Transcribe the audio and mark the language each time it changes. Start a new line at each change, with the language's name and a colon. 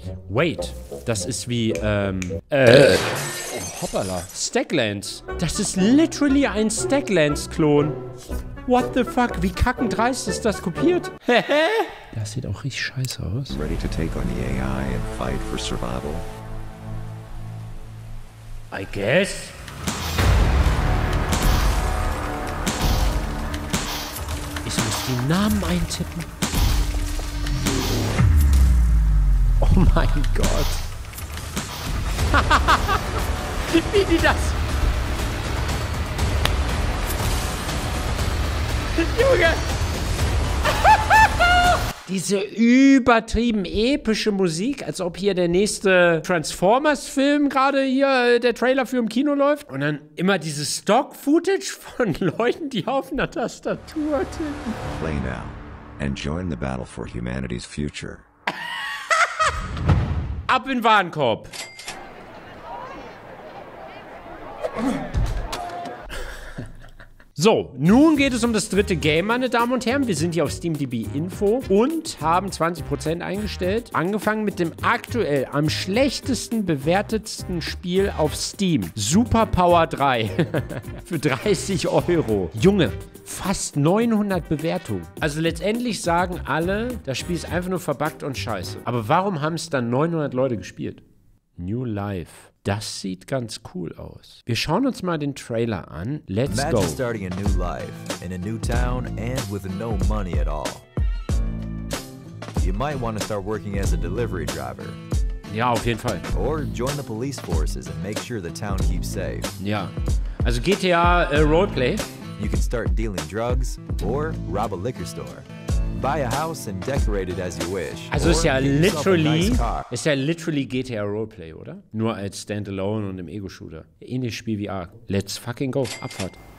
German: Wait, das ist wie, hoppala, Stacklands. Das ist literally ein Stacklands-Klon.
English: What the fuck,
German: wie kackendreist ist das kopiert? Hä? Das sieht auch richtig scheiße aus.
English: Ready to take on the AI and fight for survival. I guess.
German: Ich muss den Namen eintippen. Oh mein Gott. Wie die das? Junge! Diese übertrieben epische Musik, als ob hier der nächste Transformers-Film gerade hier, der Trailer für im Kino läuft. Und dann immer dieses Stock-Footage von Leuten, die auf einer Tastatur tippen.
English: Play now and join the battle for humanity's future.
German: Ab in Warenkorb. So, nun geht es um das dritte Game, meine Damen und Herren. Wir sind hier auf SteamDB Info und haben 20% eingestellt. Angefangen mit dem aktuell am schlechtesten bewertetsten Spiel auf Steam. Super Power 3 für 30 Euro. Junge, fast 900 Bewertungen. Also letztendlich sagen alle, das Spiel ist einfach nur verbuggt und scheiße. Aber warum haben es dann 900 Leute gespielt? New Life. Das sieht ganz cool aus. Wir schauen uns mal den Trailer an.
English: Let's Imagine go. Imagine starting a new life in a new town and with no money at all. You might want to start working as a delivery driver.
German: Ja, auf jeden Fall.
English: Or join the police forces and make sure the town keeps safe.
German: Ja, also GTA Roleplay.
English: You can start dealing drugs or rob a liquor store. Buy a house and decorate it as you wish.
German: Also ist ja literally, GTA Roleplay, oder? Nur als Standalone und im Ego-Shooter. Ähnliches Spiel wie Ark.
English: Let's fucking go.
German: Abfahrt.